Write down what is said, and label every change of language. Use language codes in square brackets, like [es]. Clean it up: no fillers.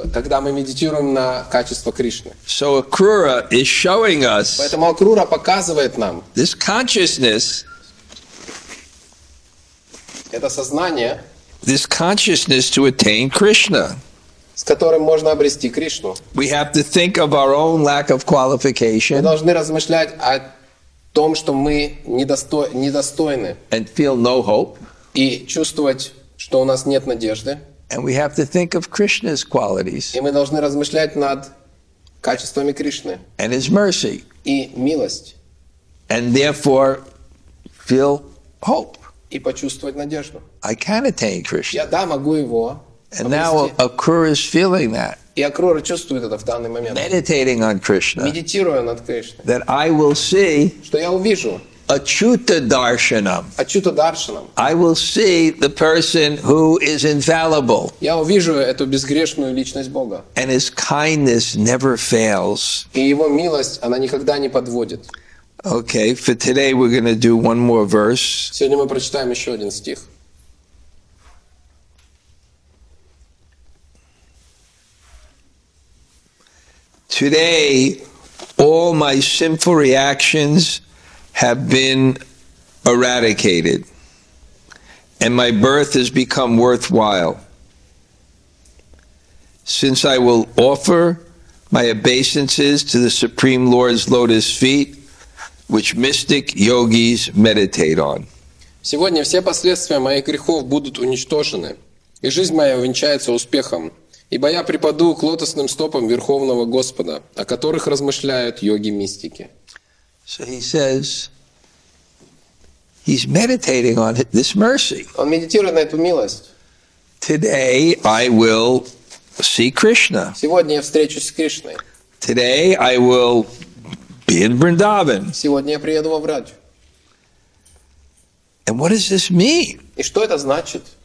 [ru] Когда мы медитируем на качество Кришны. [en] So Akrura is showing us. [ru] Поэтому Акрура показывает нам. [en] This consciousness. [ru] Это сознание. [en] This consciousness to attain Krishna. [ru] С которым можно обрести Кришну. [en] We have to think of our own lack of qualification. [ru] Мы должны размышлять о том, что мы недостойны. [en] And feel no hope. [ru] И чувствовать, что у нас нет надежды. [en] And we have to think of Krishna's qualities. [ru] И мы должны размышлять над качествами Кришны. [en] And his mercy. [ru] И милость. [en] And therefore feel hope. [ru] И почувствовать надежду. [en] I can attain Krishna. [ru] Я да, могу его. [en] And now Akrura is feeling that. [ru] И Акрура чувствует это в данный момент. [en] Meditating on Krishna. [ru] Медитируя над Кришной. [en] That I will see. [ru] Что я увижу. [sa] Achyuta darshanam. Achyuta darshanam. [en] I will see the person who is infallible. [ru] Я увижу эту безгрешную личность Бога. [en] And his kindness never fails. [ru] И его милость, она никогда не подводит. [en] Okay, for today we're going to do one more verse. [ru] Сегодня мы прочитаем еще один стих. [en] Today, all my sinful reactions have been eradicated, and my birth has become worthwhile. Since I will offer my obeisances to the Supreme Lord's lotus feet, which mystic yogis meditate on. [ru] Сегодня все последствия моих грехов будут уничтожены, и жизнь моя увенчается успехом. Ибо я припаду к лотосным стопам Верховного Господа, о которых размышляют йоги-мистики. [en] So he says, he's meditating on this mercy. [ru] Он медитирует на эту милость. [en] Today I will see Krishna. [ru] Сегодня я встречусь с Кришной. [en] Today I will be in Vrindavan. [ru] Сегодня я приеду во Врадж. [en] And what does this mean? [ru] И что это значит?